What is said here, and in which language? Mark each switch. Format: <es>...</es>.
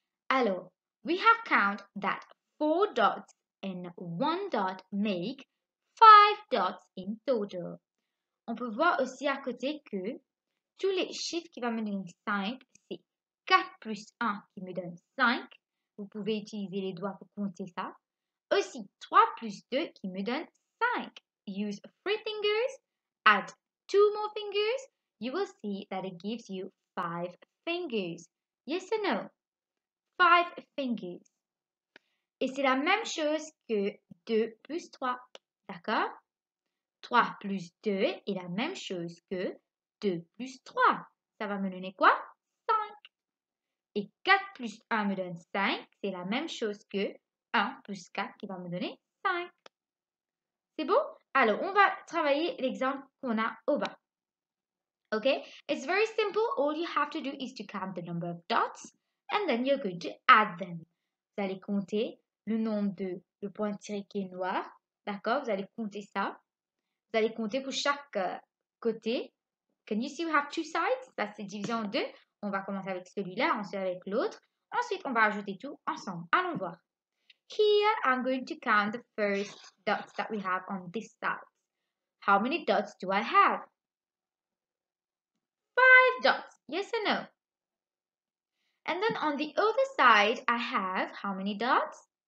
<en>Alors, we have count that 4 dots and 1 dot make 5 dots in total.</en> <fr>On peut voir aussi à côté que tous les chiffres qui vont me donner 5, c'est 4 plus 1 qui me donne 5. Vous pouvez utiliser les doigts pour compter ça. Aussi, 3 plus 2 qui me donne 5.</fr> <en>Use 3 fingers, add 2 more fingers, you will see that it gives you 5 fingers. Yes or no? 5 fingers.</en> <fr>Et c'est la même chose que 2 plus 3, d'accord? 3 plus 2 est la même chose que 2 plus 3. Ça va me donner quoi? 5. Et 4 plus 1 me donne 5. C'est la même chose que 1 plus 4 qui va me donner 5. C'est bon? Alors, on va travailler l'exemple qu'on a au bas.</fr> <en>OK? It's very simple. All you have to do is to count the number of dots. And then you're going to add them.</en> <fr>Vous allez compter le nombre de le point tiré qui est noir. D'accord? Vous allez compter ça. Vous allez compter pour chaque côté.</fr> <en>Can you see we have two sides?</en> <fr>Ça, c'est divisé en deux. On va commencer avec celui-là, ensuite avec l'autre. Ensuite, on va ajouter tout ensemble. Allons voir.</fr> <en>Here, I'm going to count the first dots that we have on this side. How many dots do I have? 5 dots. Yes or no? And then on the other side, I have how many dots?</en>